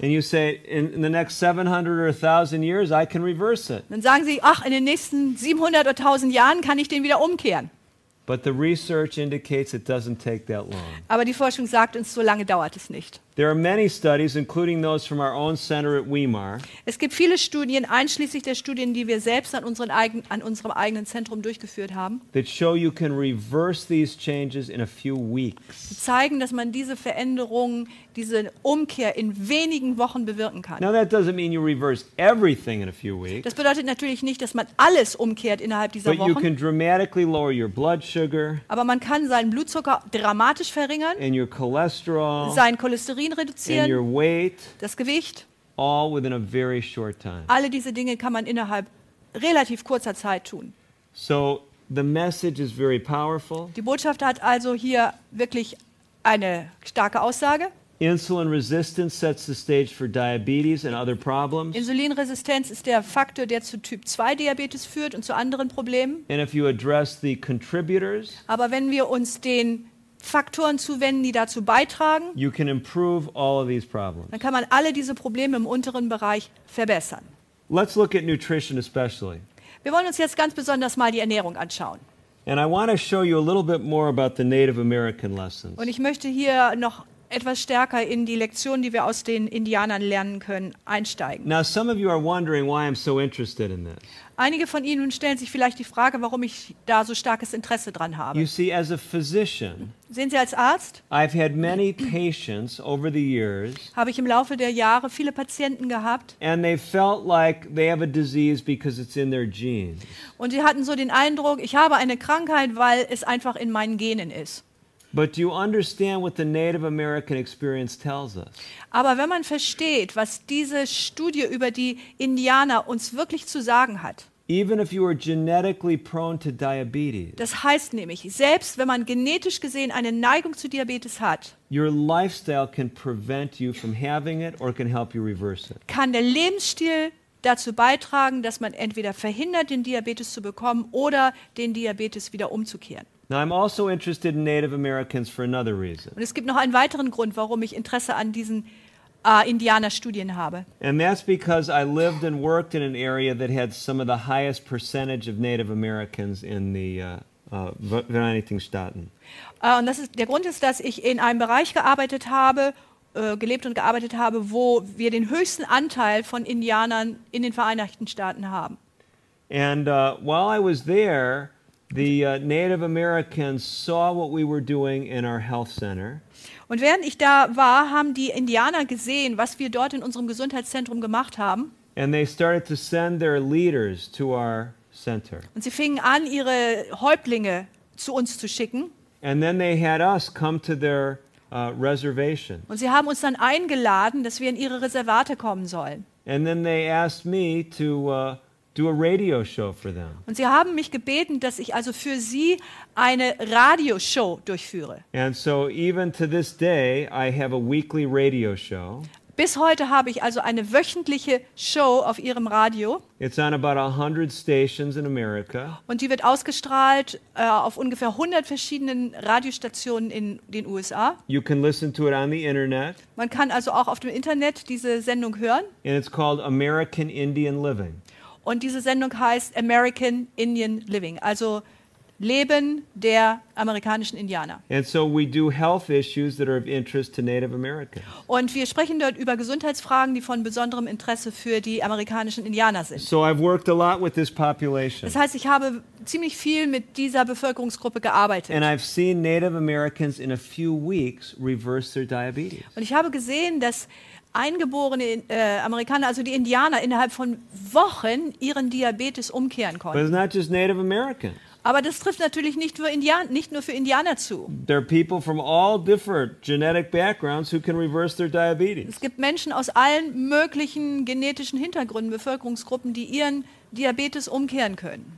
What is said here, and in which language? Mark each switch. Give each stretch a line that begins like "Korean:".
English: And you say, in the next 700 or 1000 years, I can reverse it.
German: Dann sagen Sie, ach, in den nächsten 700 oder 1000 Jahren kann ich den wieder umkehren.
English: But the research indicates it doesn't take that long.
German: Aber die Forschung sagt uns, so lange dauert es nicht.
English: There are many studies, including those from our own center at Weimar.
German: Es gibt viele Studien, einschließlich der Studien, die wir selbst an unserem eigenen Zentrum durchgeführt haben.
English: That show you can reverse these changes in a few weeks.
German: Die zeigen, dass man diese Veränderungen, diese Umkehr in wenigen Wochen bewirken kann.
English: Now that doesn't mean you reverse everything in a few weeks.
German: Das bedeutet natürlich nicht, dass man alles umkehrt innerhalb dieser
English: But
German: Wochen.
English: But you can dramatically lower your blood sugar.
German: Aber man kann seinen Blutzucker dramatisch verringern.
English: And your cholesterol.
German: Sein Cholesterin. Reduzieren,
English: and your weight,
German: das Gewicht,
English: all within a very short time.
German: Alle diese Dinge kann man innerhalb relativ kurzer Zeit tun.
English: So the message is very powerful.
German: Die Botschaft hat also hier wirklich eine starke Aussage.
English: Insulin resistance sets the stage for diabetes and other problems.
German: Insulinresistenz ist der Faktor, der zu Typ 2 Diabetes führt und zu anderen Problemen.
English: And if you address the contributors,
German: aber wenn wir uns den Faktoren zuwenden, die dazu beitragen,
English: you can improve all of these problems.
German: Dann kann man alle diese Probleme im unteren Bereich verbessern.
English: Let's look at nutrition especially.
German: Wir wollen uns jetzt ganz besonders mal die Ernährung anschauen.
English: And I want to show you a little bit more about the Native American lessons.
German: Und ich möchte hier noch etwas stärker in die Lektionen, die wir aus den Indianern lernen können, einsteigen.
English: Now some of you are wondering why I'm so interested in this.
German: Einige von Ihnen stellen sich vielleicht die Frage, warum ich da so starkes Interesse dran habe.
English: You see, as a physician,
German: sehen Sie als Arzt?
English: I've had many patients over the years.
German: Habe ich im Laufe der Jahre viele Patienten gehabt.
English: And they felt like they have a disease because it's in their genes.
German: Und sie hatten so den Eindruck, ich habe eine Krankheit, weil es einfach in meinen Genen ist.
English: But do you understand what the Native American experience tells us?
German: Aber wenn man versteht, was diese Studie über die Indianer uns wirklich zu sagen hat.
English: Even if you are genetically prone to diabetes.
German: Das heißt nämlich, selbst wenn man genetisch gesehen eine Neigung zu Diabetes hat.
English: Your lifestyle can prevent you from having it or can help you reverse it.
German: Kann der Lebensstil dazu beitragen, dass man entweder verhindert, den Diabetes zu bekommen oder den Diabetes wieder umzukehren.
English: Now I'm also interested in Native Americans for another reason.
German: Und es gibt noch einen weiteren Grund, warum ich Interesse an diesen Indianerstudien habe.
English: And that's because I lived and worked in an area that had some of the highest percentage of Native Americans in the
German: Vereinigten Staaten. Und das ist der Grund ist, dass ich in einem Bereich gearbeitet habe, gelebt und gearbeitet habe, wo wir den höchsten Anteil von Indianern in den Vereinigten Staaten haben.
English: And while I was there, the Native Americans saw what we were doing in our health center.
German: Und während ich da war, haben die Indianer gesehen, was wir dort in unserem Gesundheitszentrum gemacht haben.
English: And they started to send their leaders to our center.
German: Und sie fingen an, ihre Häuptlinge zu uns zu schicken.
English: And then they had us come to their reservation.
German: Und sie haben uns dann eingeladen, dass wir in ihre Reservate kommen sollen.
English: And then they asked me to do a radio show for them.
German: Und sie haben mich gebeten, dass ich also für sie eine Radioshow durchführe.
English: And so even to this day I have a weekly radio show.
German: Bis heute habe ich also eine wöchentliche Show auf ihrem Radio.
English: It's on about 100 stations in America.
German: Und die wird ausgestrahlt auf ungefähr 100 verschiedenen Radiostationen in den USA.
English: You can listen to it on the internet.
German: Man kann also auch auf dem Internet diese Sendung hören.
English: And it's called American Indian Living.
German: Und diese Sendung heißt American Indian Living, also Leben der amerikanischen Indianer.
English: And so we do health issues that are of interest to Native Americans.
German: Und wir sprechen dort über Gesundheitsfragen, die von besonderem Interesse für die amerikanischen Indianer sind.
English: So I've worked a lot with this population.
German: Das heißt, ich habe ziemlich viel mit dieser Bevölkerungsgruppe gearbeitet.
English: And I've seen Native Americans in a few weeks reverse their diabetes.
German: Und ich habe gesehen, dass eingeborene Amerikaner, also die Indianer, innerhalb von Wochen ihren Diabetes umkehren konnten.
English: But it's not just Native Americans.
German: Aber das trifft natürlich nicht nur für Indianer zu.
English: There are people from all different genetic backgrounds who can reverse their diabetes.
German: Es gibt Menschen aus allen möglichen genetischen Hintergründen, Bevölkerungsgruppen, die ihren Diabetes umkehren können.